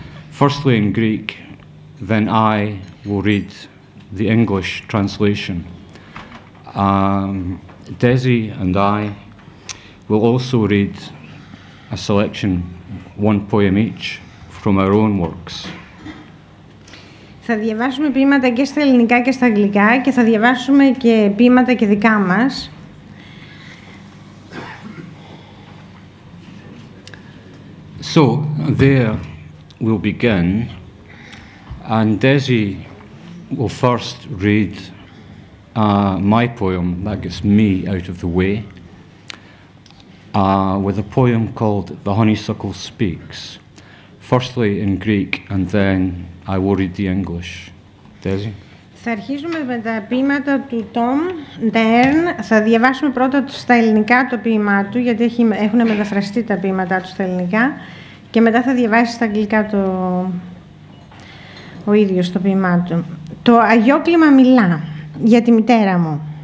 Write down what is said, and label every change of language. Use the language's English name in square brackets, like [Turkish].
[English] Firstly, in Greek, then I will read the English translation. Desi and I will also read a selection, one poem each, from our own works. [Greek] Θα διαβάσουμε ποίηματα και στα ελληνικά και στα αγγλικά και θα διαβάσουμε και ποίηματα και δικά μας. [English] So, there we'll begin. And Desi will first read my poem, that gets me out of the way, with a poem called The Honeysuckle Speaks. Firstly in Greek and then I will read the English. Desi. [Greek] Θα αρχίσουμε με τα ποίηματα του Tom Dern. Θα διαβάσουμε πρώτα στα ελληνικά το ποίημά του, γιατί έχουν μεταφραστεί τα ποίηματά του στα ελληνικά. Και μετά θα διαβάσει στα αγγλικά το ο ίδιος το ποίημά του. Το αγιόκλημα μιλά για τη μητέρα μου.